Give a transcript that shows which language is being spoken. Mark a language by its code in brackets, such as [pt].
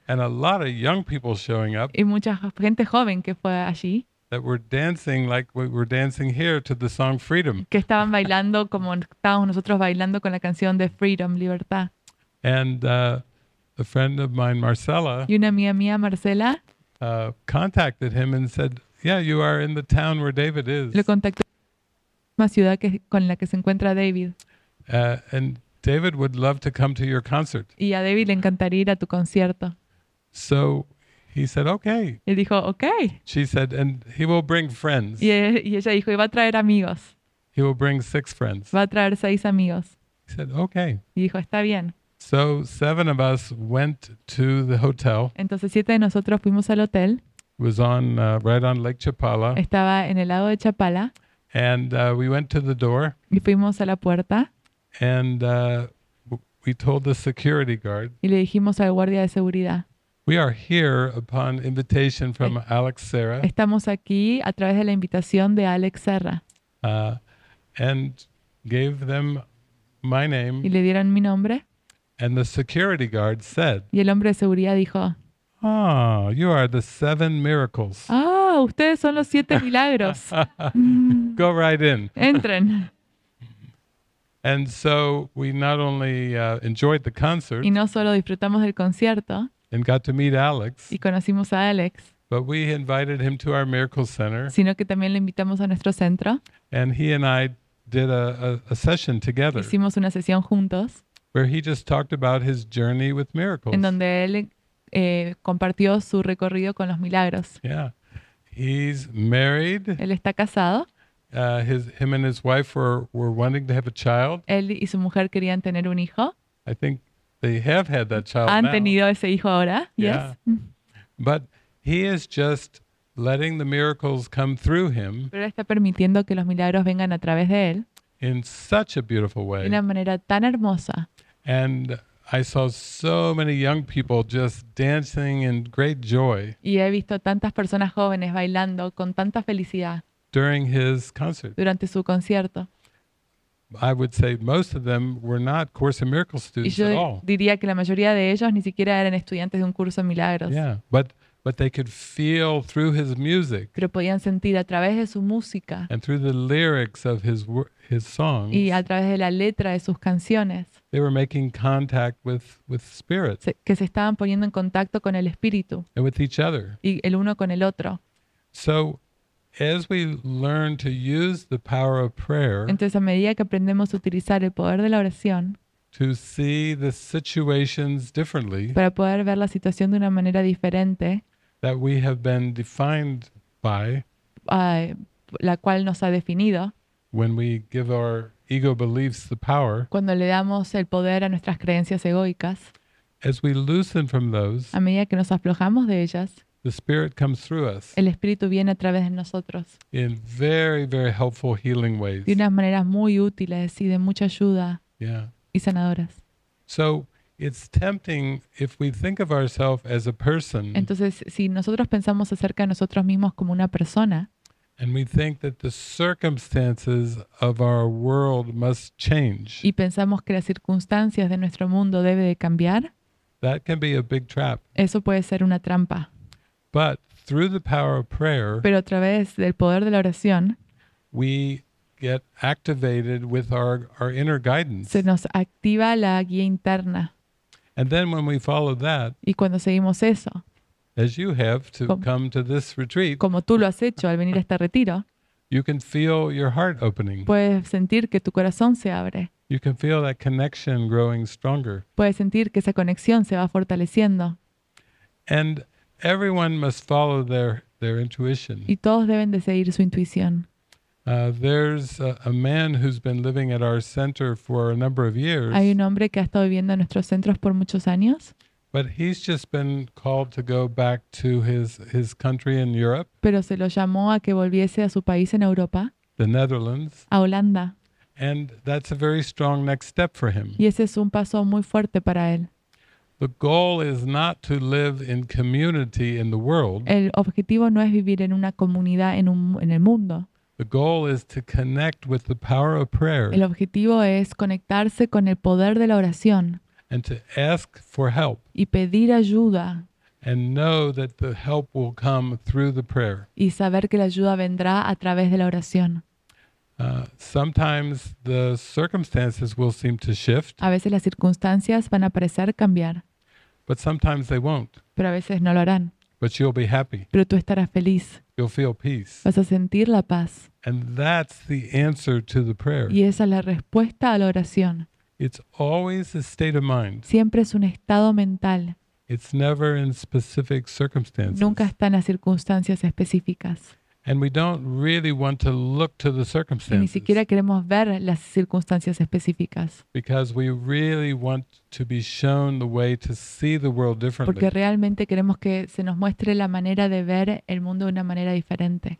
[en] And a lot of young people showing up. [es] Y mucha gente joven que fue allí. [en] That were dancing like we were dancing here to the song Freedom. [es] Que estaban bailando como estábamos nosotros bailando con la canción de Freedom, Libertad. [en] And a friend of mine, Marcela, [es] y una amiga mía, Marcela, [en] contacted him and said, yeah, you are in the town where David is. [es] Le contactó en la ciudad que, con la que se encuentra David. [en] And David would love to come to your concert. [es] Y a David le encantaría ir a tu concierto. [en] So he said, okay. [es] Y dijo, okay. [en] She said, and he will bring friends. [es] Y ella dijo, y va a traer amigos. [en] He will bring six friends. [es] Va a traer seis amigos. [en] He said, okay. [es] Y dijo, está bien. [en] So seven of us went to the hotel. [es] Entonces siete de nosotros fuimos al hotel. [en] It was on right on Lake Chapala. [es] Estaba en el lago de Chapala. [en] And we went to the door. [es] Y fuimos a la puerta. [en] And we told the security guard. [es] Y le dijimos al guardia de seguridad. [en] We are here upon invitation from Alex Serra. [es] Estamos aquí a través de la invitación de Alex Serra. [en] And gave them my name. [es] Y le dieron mi nombre. [en] And the security guard said, [es] y el hombre de seguridad dijo, [en] oh, you are the seven miracles. [es] Ah, ustedes son los siete milagros. [en] Go right in. [es] Entren. [en] And so we not only enjoyed the concert. [es] Y no solo disfrutamos del concierto. [en] And got to meet Alex. [es] Y conocimos a Alex. [en] But we invited him to our miracle center. [es] Sino que también le invitamos a nuestro centro. [en] And he and I did a session together. [es] Hicimos una sesión juntos. [en] Where he just talked about his journey with miracles. [es] En donde él compartió su recorrido con los milagros. [en] Yeah. He's married. [es] Él está casado. [en] Him and his wife were wanting to have a child. [es] Él y su mujer querían tener un hijo. [en] I think they have had that child [es] ¿Han [en] now. [es] Han tenido ese hijo ahora, yeah. Yes. [en] But he is just letting the miracles come through him. [es] Pero está permitiendo que los milagros vengan a través de él. [en] In such a beautiful way. [es] De una manera tan hermosa. [en] And I saw so many young people just dancing in great joy. [es] Y he visto tantas personas jóvenes bailando con tanta felicidad. [en] During his concert. [es] Durante su concierto. [en] I would say most of them were not Course in Miracles students [es] y yo [en] at all. [es] Diría que la mayoría de ellos ni siquiera eran estudiantes de un curso de milagros. [en] Yeah, but they could feel through his music. [es] Pero podían sentir a través de su música. [en] And through the lyrics of his songs. [es] Y a través de la letra de sus canciones. [en] They were making contact with spirit. [es] Que se estaban poniendo en contacto con el espíritu. [en] And with each other. [es] Y el uno con el otro. [en] So, as we learn to use the power of prayer. [es] Entonces a medida que aprendemos a utilizar el poder de la oración. [en] To see the situations differently. [es] Para poder ver la situación de una manera diferente. [en] That we have been defined by. [es] La cual nos ha definido. [en] When we give our ego beliefs the power. [es] Cuando le damos el poder a nuestras creencias egoicas. [en] As we loosen from those. [es] A medida que nos aflojamos de ellas. [en] The spirit comes through us. [es] El espíritu viene a través de nosotros. [en] In very, very helpful healing ways. [es] De unas maneras muy útiles y de mucha ayuda. [en] Yeah. [es] Y sanadoras. [en] So it's tempting if we think of ourselves as a person. [es] Entonces, si nosotros pensamos acerca de nosotros mismos como una persona. [en] And we think that the circumstances of our world must change. [es] Y pensamos que las circunstancias de nuestro mundo debe de cambiar. [en] That can be a big trap. [es] Eso puede ser una trampa. [en] But through the power of prayer. [es] Pero a través del poder de la oración. [en] We get activated with our inner guidance. [es] Se nos activa la guía interna. [en] And then when we follow that. [es] Y cuando seguimos eso. [en] As you have to come to this retreat. [es] Como tú lo has hecho al venir a este retiro. [en] You can feel your heart opening. [es] Puedes sentir que tu corazón se abre. [en] You can feel that connection growing stronger. [es] Puedes sentir que esa conexión se va fortaleciendo. [en] And everyone must follow their intuition. [es] Y todos deben de seguir su intuición. [en] There's a man who's been living at our center for a number of years. [es] Hay un hombre que ha estado viviendo en nuestros centros por muchos años. [en] But he's just been called to go back to his country in Europe. [es] Pero se lo llamó a que volviese a su país en Europa. [en] The Netherlands. [es] A Holanda. [en] And that's a very strong next step for him. [es] Y ese es un paso muy fuerte para él. [en] The goal is not to live in community in the world. [es] El objetivo no es vivir en una comunidad en el mundo. [en] The goal is to connect with the power of prayer. [es] El objetivo es conectarse con el poder de la oración. [en] And to ask for help. [es] Y pedir ayuda. [en] And know that the help will come through the prayer. [es] Y saber que la ayuda vendrá a través de la oración. [en] Sometimes the circumstances will seem to shift. [es] A veces las circunstancias van a parecer cambiar. [en] But sometimes they won't. [es] Pero a veces no lo harán. [en] But you'll be happy. [es] Pero tú estarás feliz. [en] You'll feel peace. [es] Vas a sentir la paz. [en] And that's the answer to the prayer. [es] Y esa es la respuesta a la oración. [en] It's always a state of mind. [es] Siempre es un estado mental. [en] It's never in specific circumstances. [es] Nunca está en las circunstancias específicas. [en] And we don't really want to look to the circumstances. [es] Y ni siquiera queremos ver las circunstancias específicas. [en] Because we really want to be shown the way to see the world differently. [es] Porque realmente queremos que se nos muestre la manera de ver el mundo de una manera diferente.